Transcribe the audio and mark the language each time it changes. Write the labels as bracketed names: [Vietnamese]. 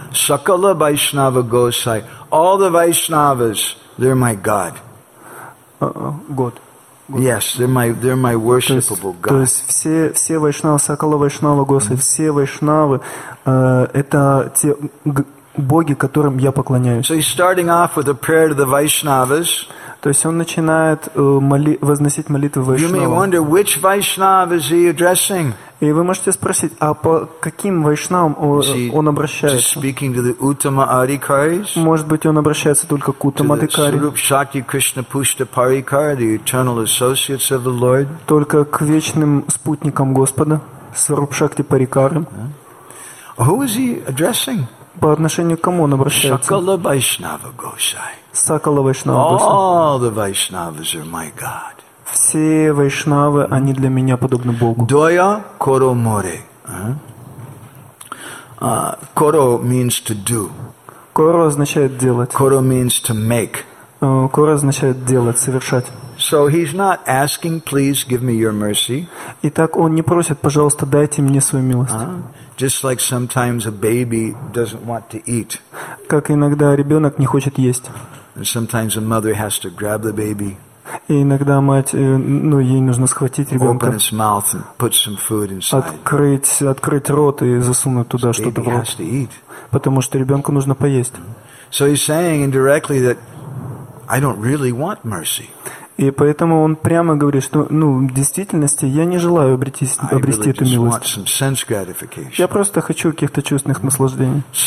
[Bangla] Sakala Vaishnava Goshai. [English] All the Vaishnavas, they're my God. God. Yes, they're my worshipable God. [Russian] То есть все Вайшнавы, [Bangla] сакала Вайшнава Госай, [Russian] все Вайшнавы, это те боги, которым я поклоняюсь. [English] So he's starting off with a prayer to the Vaishnavas. [Russian] То есть он начинает возносить молитвы Вайшнавам. [English] You may wonder which Vaishnav is he addressing? [Russian] И вы можете спросить, а по каким Вайшнавам он обращается? [English] Is he speaking to the Uttama Adhikaris? [Russian] Может быть, он обращается только к Uttama Adhikari? [English] To the Srup Shakti Krishna Pushta Parikar, the eternal associates of the Lord? [Russian] Только к вечным спутникам Господа, Srup Shakti Parikar? [English] Who is he addressing? [Russian] По отношению к кому он обращается? [Bangla] Sakala Vaishnava Goshai. Sakala Vaishnava [English] Goshai. All the Vaishnavas are my God. [Russian] Все Вайшнавы, они для меня подобны Богу. [Bangla] Doya koro more. [English] Koro means to do. [Russian] Koro означает делать. [English] Koro means to make. [Russian] Koro означает делать, совершать. [English] So he's not asking, please give me your mercy. [Russian] Итак, он не просит, пожалуйста, дайте мне свою милость. [English] Just like sometimes a baby doesn't want to eat. [Russian] Как иногда ребенок не хочет есть. [English] And sometimes a mother has to grab the baby. [Russian] И иногда мать, ей нужно схватить ребенка. [English] Open its mouth and put some food inside. [Russian] Открыть рот и засунуть туда что-то в рот. Потому что ребенку нужно поесть. [English] So he's saying indirectly that I don't really want mercy. [Russian] И поэтому он прямо говорит, что в действительности я не желаю обрести эту милость. Я просто хочу каких-то чувственных наслаждений.